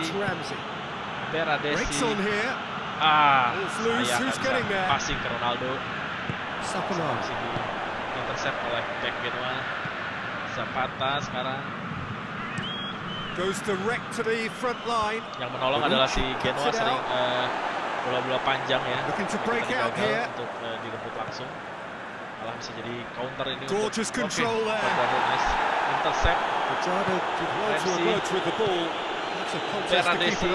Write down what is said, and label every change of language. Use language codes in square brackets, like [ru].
[en] And it's Ramsey. Bernardeschi. Breaks on here. It's loose. Who's getting there? Passing to Ronaldo. Zapata. [id] Intercept oleh back Genoa. Zapata sekarang. [en] goes direct to the front line. [id] Yang menolong adalah si Genoa, sering bola-bola panjang ya. [en] Looking to break out here. [id] Untuk direbut langsung. Malah bisa jadi counter ini. [en] Gorgeous control there. Intercept. Fajardo gives way to Roberts with the ball. That's a contest to keep an